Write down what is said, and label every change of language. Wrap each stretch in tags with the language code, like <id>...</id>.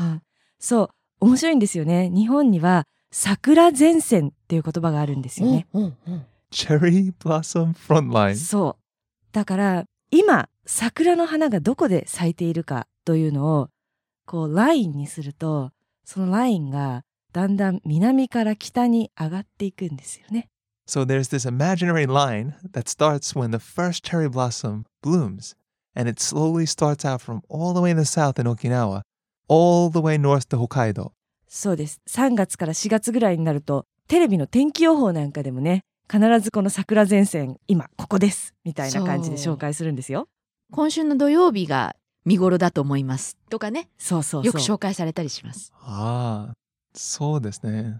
<ja>うん、そう、面白いんですよね。日本には桜前線っていう言葉があるんですよね。</ja> <en>チェリーブラッサムフロントライン。</en> <ja>そう。だから今桜の花がどこで咲いているかというのをこうラインにすると、そのラインがだんだん南から北に上がっていくんですよね。</ja> <en>So there's this imaginary line that starts when the first cherry blossom blooms, and it slowly starts out from all the way in the south in Okinawa, all the way north to Hokkaido.</en> <ja>そうです。 3月から4月ぐらいになると、テレビの天気予報なんかでもね、必ずこの桜前線、今ここですみたいな感じで紹介するんですよ。今週の土曜日が見頃だと思いますとかね、そうそうそう、よく紹介されたりします。ああ、そうですね。</ja>